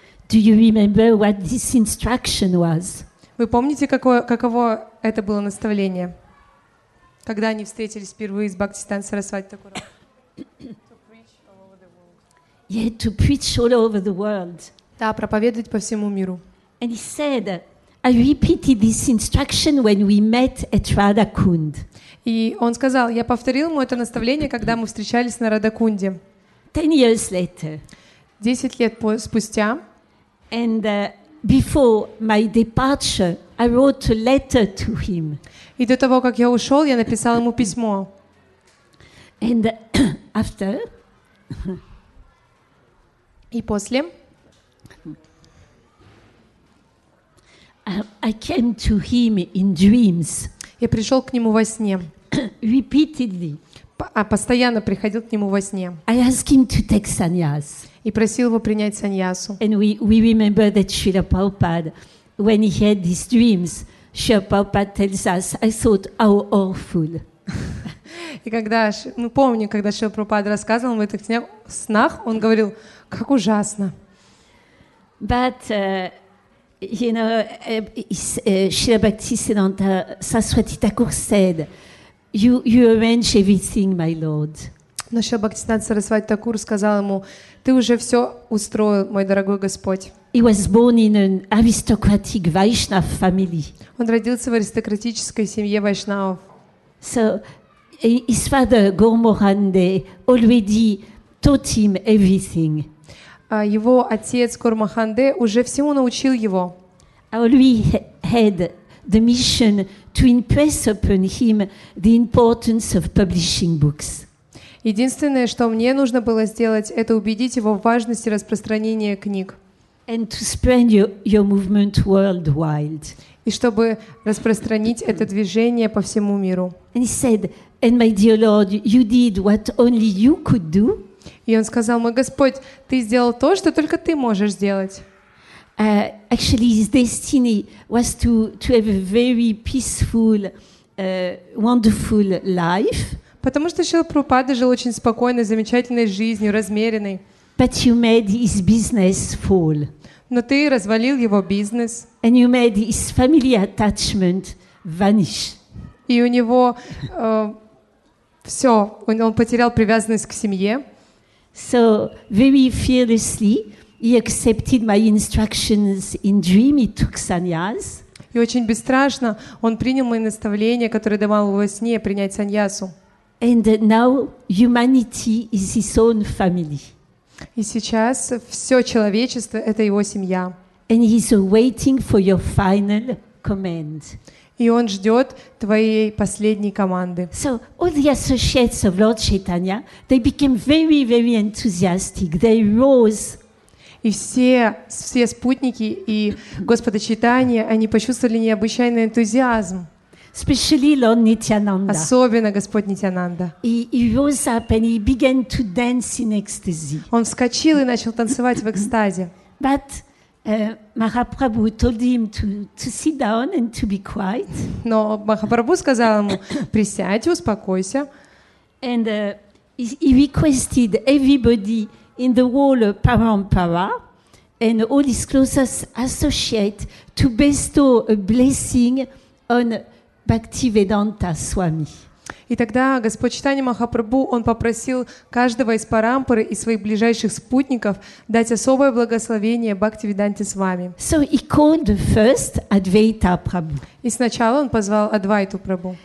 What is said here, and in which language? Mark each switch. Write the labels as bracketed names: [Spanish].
[English] do you remember what this instruction was? [Russian] Вы помните, каково это было наставление, когда они встретились впервые с Бхактисиддхантой Сарасвати Такур? [English] To preach all over the world. [Russian] Да, проповедовать по всему миру. [English] And he said, I repeated this instruction when we met at Radha Kund. [Russian] И он сказал, я повторил ему это наставление, когда мы встречались на Радакунде. [English] 10 years later. [Russian] 10 лет спустя. [English] And before my departure, I wrote a letter to him. [Russian] И до того, как я ушел, я написал ему письмо. [English] And after. [Russian] И после. [English] I came to him in dreams. [Russian] Я пришел к нему во сне. [English] Repeatedly. [Russian] а постоянно приходил к нему во сне. [English] I asked him to take sannyas. [Russian] И просил его принять саньясу. [English] And we remember that Srila Prabhupada, when he had these dreams, Srila Prabhupada tells us, I thought, how awful. [Russian] И когда, ну помню, когда Шрила Прабхупада рассказывал в этих снах, он говорил, как ужасно. [English] But, you know, Шрила Бхактисиддханта Сарасвати Такур said, you arrange everything, my lord. [Russian] Но Шрила Бхактисиддханта Сарасвати Такур сказал ему, ты уже все устроил, мой дорогой Господь. [English] He was born in an aristocratic Vaishnav family. [Russian] Он родился в аристократической семье вайшнавов. [English] So, his father Gormohande already taught him everything. [Russian] Его отец Гормоханде уже всему научил его. [English] Already had the mission to impress upon him the importance of publishing books. [Russian] Единственное, что мне нужно было сделать, это убедить его в важности распространения книг. [English] And to spread your movement worldwide. [Russian] И чтобы распространить это движение по всему миру. [English] And he said, and my dear Lord, you did what only you could do. [Russian] И он сказал, мой Господь, ты сделал то, что только ты можешь сделать. [English] Actually, his destiny was to have a very peaceful, wonderful life. [Russian] Потому что Шрила Прабхупада жил очень спокойной, замечательной жизнью, размеренной. [English] But you made his business fall. [Russian] Но ты развалил его бизнес. [English] And you made his family attachment vanish. [Russian] И у него все, он потерял привязанность к семье. [English] So very fearlessly he accepted my instructions in dream. He took sannyas. [Russian] И очень бесстрашно он принял мои наставления, которые давал во сне, принять саньясу. [English] And now humanity is his own family. [Russian] И сейчас все человечество — это его семья. [English] And he is waiting for your final command. [Russian] И он ждет твоей последней команды. [English] So all the associates of Lord Chaitanya, they became very, very enthusiastic. They rose. [Russian] И все спутники и Господа Чайтанья, они почувствовали необычайный энтузиазм. [English] Especially Lord Nityananda. [Russian] Особенно Господь Нитянанда. [English] He rose up and he began to dance in ecstasy. [Russian] Он вскочил и начал танцевать в экстазе. [English] But Махапрабху told him to sit down and to be quiet. [Russian] Но Махапрабху сказал ему: «Присядь, успокойся». [English] And he requested everybody in the whole parampara and all his closest associates to bestow a blessing on Bhaktivedanta Swami. [Russian] И тогда Господь Чайтанья Махапрабху, он попросил каждого из парампары и своих ближайших спутников дать особое благословение Бхактивиданте Свами. [English] So he called the first Advaita Prabhu. [Russian] И сначала он позвал Адвайту Прабху.